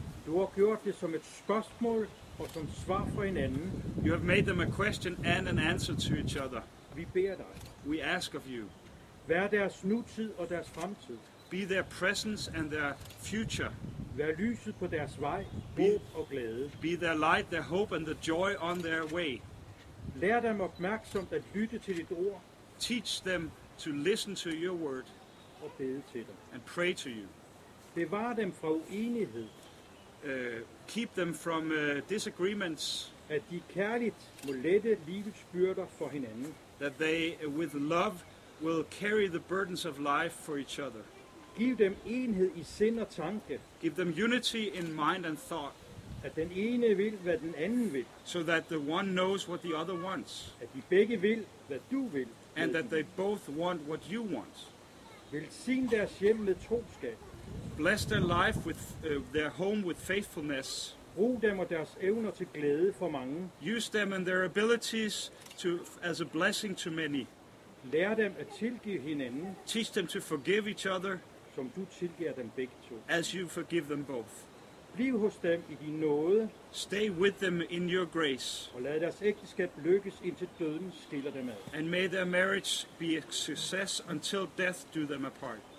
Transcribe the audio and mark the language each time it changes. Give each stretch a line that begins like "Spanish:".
Danish: du har gjort det som et spørgsmål og som svar for hinanden,
English: you have made them a question and an answer to each other,
Danish: vi beder dig,
English: we ask of you,
Danish: vær deres nutid og deres fremtid,
English: be their presence and their future.
Danish: Vær lyset på deres vej, håb og glæde.
English: Be their light, their hope and the joy on their way.
Danish: Lær dem opmærksomt at lytte til dit ord.
English: Teach them to listen to your word.
Danish: Og bede til dem.
English: And pray to you.
Danish: Bevar dem fra uenighed.
English: Keep them from disagreements.
Danish: At de kærligt må lette livets byrder for hinanden.
English: That they with love will carry the burdens of life for each other.
Danish: Giv dem enhed i sind og tanke.
English: Give them unity in mind and thought.
Danish: At den ene vil, hvad den anden vil.
English: So that the one knows what the other wants.
Danish: At de begge vil, hvad du vil.
English: And that they both want what you want.
Danish: Velsign deres hjem med troskab.
English: Bless their life with their home with faithfulness.
Danish: Brug dem og deres evner til glæde for mange.
English: Use them and their abilities to as a blessing to many.
Danish: Lær dem at tilgive hinanden.
English: Teach them to forgive each other.
Danish: Som du tilgiver dem begge to.
English: As you forgive them both.
Danish: Bliv hos dem i din nåde.
English: Stay with them in your grace.
Danish: Og lad deres ægteskab lykkes indtil døden skiller dem ad.
English: And may their marriage be a success until death do them apart.